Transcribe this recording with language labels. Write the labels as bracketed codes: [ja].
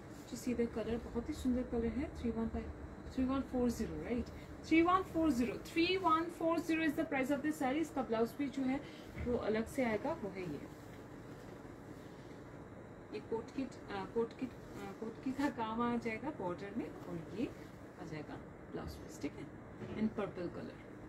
[en] To see the color, [hi] बहुत ही सुंदर colour है. [en] 3140, right? 3140. 3140 is the price of this saree. [hi] इसका ब्लाउज भी जो है वो अलग से आएगा, वो है ये. ये coat kit, coat kit, coat की का काम आ जाएगा बॉर्डर में, और ये आ जाएगा ब्लाउज पीस, ठीक है, [en] In purple colour.